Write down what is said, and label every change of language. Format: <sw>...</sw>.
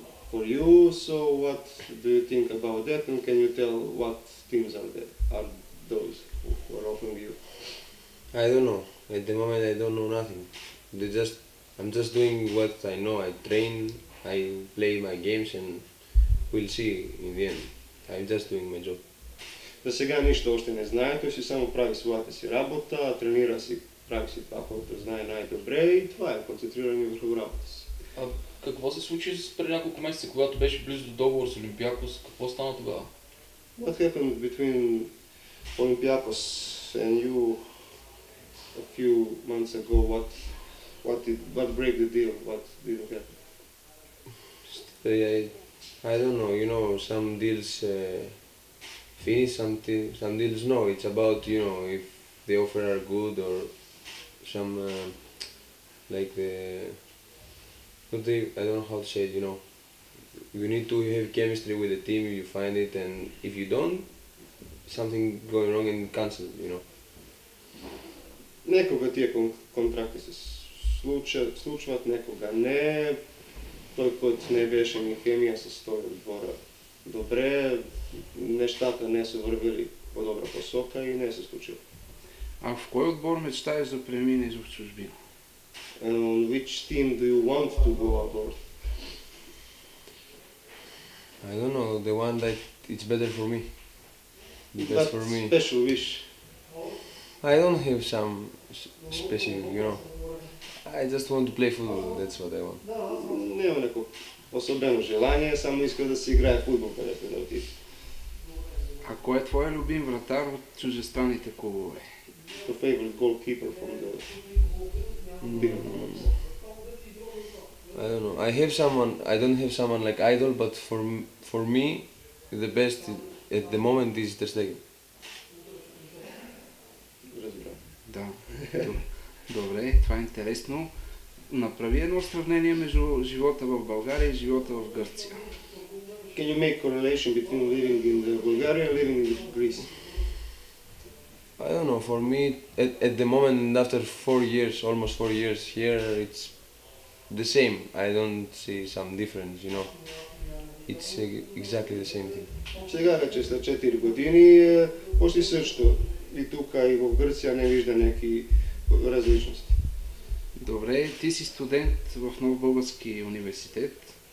<en>For you, so what do you think about that and can you tell what teams are those who are offering you? I don't know. At the moment I don't know nothing. I'm just doing what I know. I train, I play my games and we'll see in the end. I'm just doing my job.</en> <bg>За сега нищо още не знае, той си само прави своята си работа, тренира си, прави си това, което знае най-добре и това е концентриране върху работа си. Какво се случи преди няколко месеца, когато беше близо до договор с Олимпиакос? Какво стана тогава?</bg> <en>What happened between Olympiakos and you a few months ago? What break the deal? What did happen? I don't know. You know, some deals finish, some deals no. It's about, you know, if the offer are good or some like the. But I don't know how to say it, you know. You need to have chemistry with the team, you find it, and if you don't, something going wrong and cancel, you know.</en> <bg>Некога тия контракти се случват, некога не. Той, който не беше ни хемия с този отбор, добре. Нещата не са вървили по добра посока и не се случило. А в кой отбор мечтаеш да преминеш в чужбина?</bg> <en>And on which team do you want to go aboard? I don't know, the one that it's better for me. best for me. Special wish? I don't have some special, you know. I just want to play football, that's what I want.</en> <bg>Не има неко особено желание, само иска да си играе футбол, където да отиде. А кой е твой любим вратар от чуждестранните клубове?</bg> <en>The favorite goalkeeper from the I don't know. I have someone. I don't have someone like idol, but for me, the best at the moment is Ter Stegen.</en> <bg>Да. Добре, това е интересно. Направи едно сравнение между живота в България и живота в Гърция.</bg> <en>Can you make correlation between living in Bulgaria and living in Greece? I don't know. For me, at the moment, after 4 years, almost 4 years here, it's the same. I don't see some difference, you know. It's exactly the same thing.</en> <bg>Сега вече след 4 години, почти също. И тук, и в Гърция не вижда някакви различности. Добре, ти си студент в Нов български университет.</bg>